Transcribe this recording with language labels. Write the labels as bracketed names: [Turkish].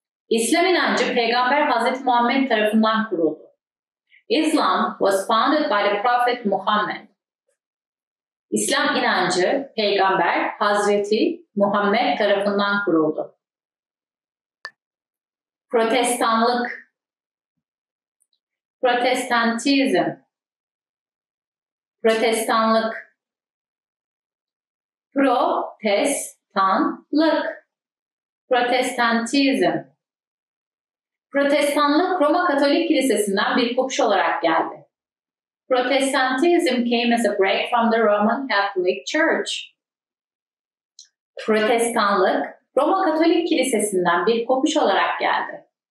[Turkish] İslam inancı Peygamber Hazreti Muhammed tarafından kuruldu. [English] İslam was founded by the Prophet Muhammad. [Turkish] İslam inancı Peygamber Hazreti Muhammed tarafından kuruldu. Protestanlık. Protestantizm. Protestanlık. Protestanlık. Protestantizm. Protestanlık Roma Katolik Kilisesi'nden bir kopuş olarak geldi. [English] Protestantism came as a break from the Roman Catholic Church. [Turkish] Protestanlık Roma Katolik Kilisesi'nden bir kopuş olarak geldi.